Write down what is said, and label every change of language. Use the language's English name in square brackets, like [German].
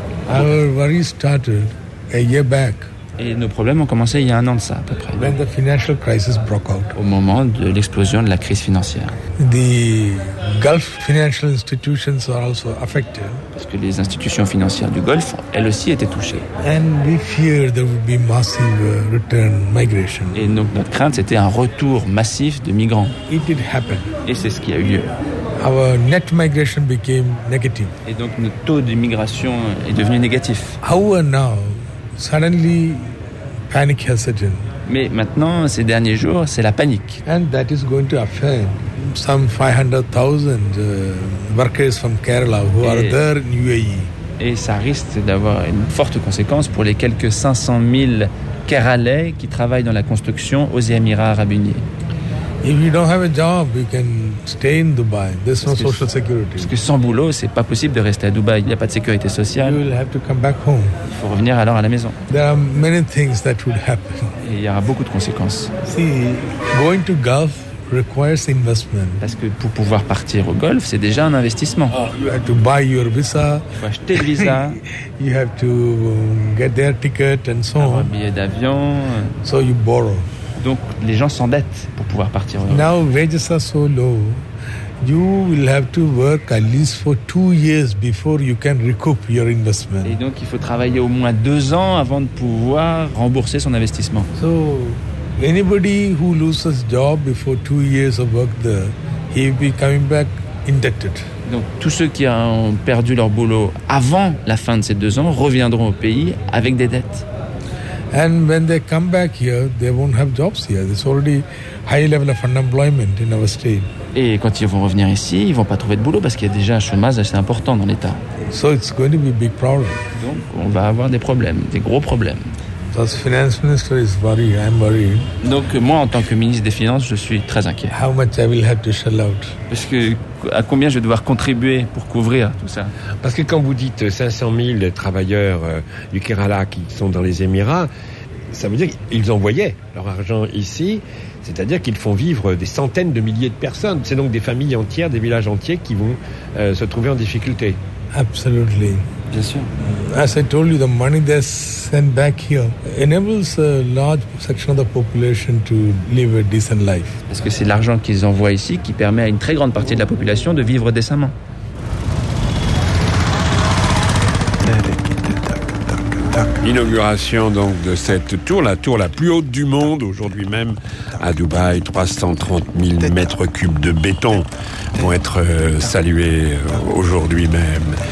[English] Our worry started a year back. [French] Et nos problèmes ont commencé il y a un an de ça, à peu près. [English] When the financial crisis broke out. [French] Au moment de l'explosion de la crise financière. [English] The Gulf financial institutions are also affected. [French] Parce que les institutions financières du Golfe, elles aussi étaient touchées. [English] And we feared there would be massive return migration. [French] Et donc notre crainte, c'était un retour massif de migrants. [English] It did happen. [French] Et c'est ce qui a eu lieu. [English] Our net migration became negative. [French] Et donc notre taux d'immigration est devenu négatif. [English] However now, suddenly, panic has set in. [French] Mais maintenant, ces derniers jours, c'est la panique. [English] And that is going to affect some 500,000 workers from Kerala who are there in UAE. [French] Et ça risque d'avoir une forte conséquence pour les quelques 500 000 Keralais qui travaillent dans la construction aux Émirats Arabes Unis. [English] If you don't have a job, you can stay in Dubai. There's no social security. [French] Parce que sans boulot, c'est pas possible de rester à Dubaï. Il n'y a pas de sécurité sociale. [English] You will have to come back home. [French] Il faut revenir alors à la maison. [English] There are many things that would happen. [French] Et il y aura beaucoup de conséquences. [English] See, going to Gulf requires investment. [French] Parce que pour pouvoir partir au Golfe, c'est déjà un investissement. [English] You have to buy your visa. [French] Il faut acheter le visa. [English] You have to get their ticket and so on. [French] Avoir un billet d'avion. [English] So you borrow. [French] Donc les gens s'endettent pour pouvoir partir. [English] Now wages are so low, you will have to work at least for 2 years before you can recoup your investment. [French] Et donc il faut travailler au moins 2 ans avant de pouvoir rembourser son investissement. [English] So anybody who loses job before 2 years of work there, he will be coming back indebted. [French] Donc tous ceux qui ont perdu leur boulot avant la fin de ces 2 ans reviendront au pays avec des dettes. [English] And when they come back here, they won't have jobs here. There's already high level of unemployment in our state. [French] Et quand ils vont revenir ici, ils vont pas trouver de boulot parce qu'il y a déjà un chômage assez important dans l'État. [English] So it's going to be a big problem. [French] Donc on va avoir des problèmes, des gros problèmes. [English] Because finance minister is worried, I'm worried. [French] Donc moi, en tant que ministre des Finances, je suis très inquiet. [English] How much I will have to shell out? [French] Parce que à combien je vais devoir contribuer pour couvrir tout ça? Parce que quand vous dites 500 000 travailleurs du Kerala qui sont dans les Émirats, ça veut dire qu'ils envoyaient leur argent ici. C'est-à-dire qu'ils font vivre des centaines de milliers de personnes. C'est donc des familles entières, des villages entiers qui vont se trouver en difficulté. [English] Absolutely. [French] Bien sûr. [English] As I told you, the money they send back here enables a large section of the population to live a decent life. [French] Parce que c'est l'argent qu'ils envoient ici qui permet à une très grande partie de la population de vivre décemment. Inauguration donc de cette tour, la tour la plus haute du monde aujourd'hui même à Dubaï. 330 000 mètres cubes de béton vont être salués aujourd'hui même.